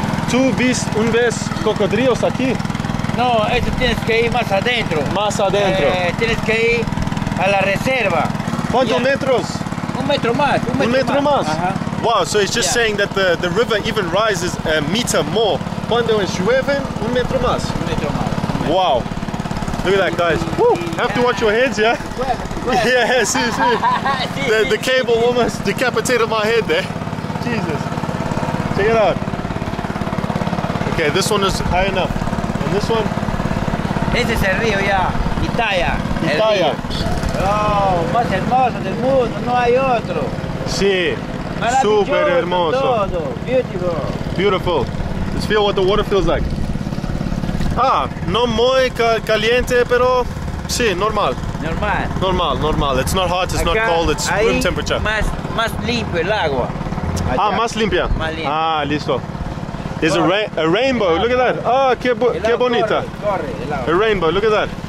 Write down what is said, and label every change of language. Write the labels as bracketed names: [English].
[Spanish] ¿Tú ves un vez cocodrilos aquí? No, eso tienes que ir más adentro. Más adentro. Tienes que ir a la reserva. ¿Cuántos metros? Un metro más. Ajá. [English] Wow, so it's just saying that the river even rises a meter more. [Spanish] Cuando es llueve, un metro más. Un metro más. [English] Wow. Look at that, guys. Woo! Have to watch your heads, yeah? Yeah, [Spanish] sí, sí. [English] The cable almost decapitated my head there. Jesus. Check it out. Okay, this one is high enough. And this one? [Spanish] Este es el río ya, Itaya. Itaya. Oh, más hermoso del mundo, no hay otro. Sí, super hermoso. Todo. [English] Beautiful. Beautiful. Let's feel what the water feels like. [Spanish] Ah, no muy caliente, pero sí, normal. Normal. [English] It's not hot, it's [Spanish] acá, [English] not cold, it's room temperature. [Spanish] Más limpio el agua. Allá. Ah, más limpia. Más limpia. Ah, listo. [English] There's a rainbow, look at that. [Spanish] Ah, oh, qué bonita. Corre, [English] a rainbow, look at that.